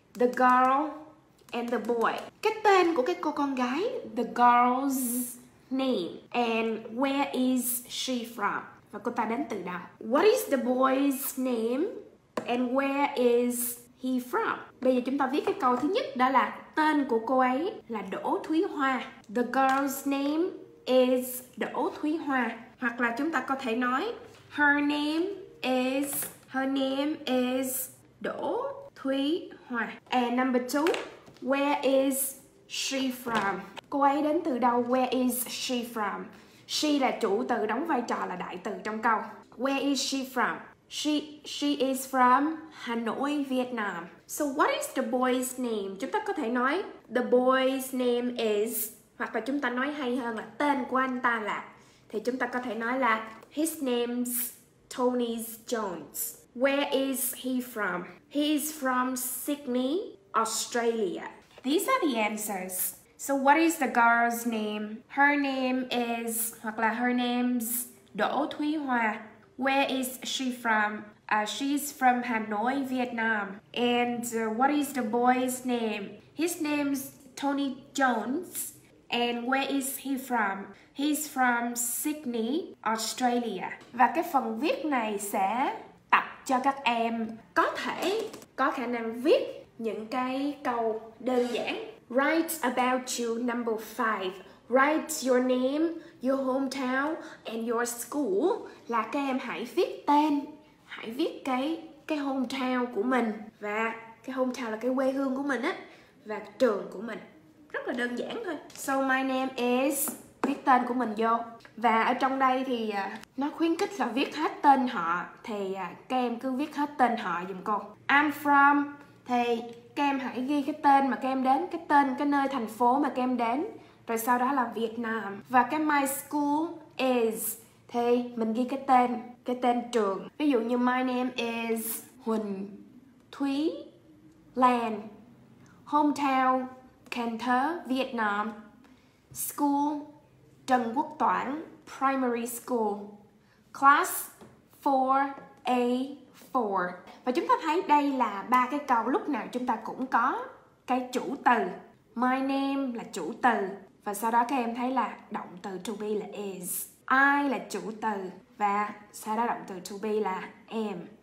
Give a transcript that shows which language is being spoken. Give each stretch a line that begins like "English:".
English: The girl and the boy.
Vietnamese: Cái tên của cái cô con gái,
English: the girl's name. And where is she from?
Vietnamese: Và cô ta đến từ đâu?
English: What is the boy's name and where is he from?
Vietnamese: Bây giờ chúng ta viết cái câu thứ nhất đó là tên của cô ấy là Đỗ Thúy Hoa.
English: The girl's name is
Vietnamese: Đỗ Thúy Hoa. Hoặc là chúng ta có thể nói
English: her name is, her name is Đỗ Thúy Hoa. And number two, where is she from?
Vietnamese: Cô ấy đến từ đâu?
English: Where is she from?
Vietnamese: She là chủ từ, đóng vai trò là đại từ trong câu.
English: Where is she from? She is from Hà Nội, Việt Nam. So what is the boy's name?
Vietnamese: Chúng ta có thể nói
English: the boy's name is,
Vietnamese: hoặc là chúng ta nói hay hơn là tên của anh ta là, thì chúng ta có thể nói là
English: his name's
Vietnamese: Tony Jones.
English: Where is he from? He is from Sydney, Australia. These are the answers. So what is the girl's name? Her name is,
Vietnamese: hoặc là
English: her name's Đỗ Thúy Hoa. Where is she from? She's from Hanoi, Vietnam. And what is the boy's name? His name's Tony Jones. And where is he from? He's from Sydney, Australia.
Vietnamese: Và cái phần viết này sẽ tập cho các em có thể có khả năng viết những cái câu đơn giản.
English: Write about you, number 5. Write your name, your hometown, and your school.
Vietnamese: Là các em hãy viết tên, hãy viết cái hometown của mình. Và cái hometown là cái quê hương của mình á, và trường của mình. Rất là đơn giản thôi.
English: So my name is,
Vietnamese: viết tên của mình vô. Và ở trong đây thì nó khuyến khích là viết hết tên họ. Thì các em cứ viết hết tên họ giùm cô.
English: I'm from,
Vietnamese: thì các em hãy ghi cái tên mà các em đến, cái tên, cái nơi, thành phố mà các em đến. Rồi sau đó là Việt Nam. Và cái
English: my school is,
Vietnamese: thì mình ghi cái tên trường. Ví dụ như
English: my name is Huỳnh Thúy Lan. Hometown, Cantha, Vietnam. School, Trần Quốc Toản, primary school. Class 4A4.
Vietnamese: Và chúng ta thấy đây là ba cái câu lúc nào chúng ta cũng có cái chủ từ. My name là chủ từ. Và sau đó các em thấy là động từ to be là is. I là chủ từ. Và sau đó động từ to be là am.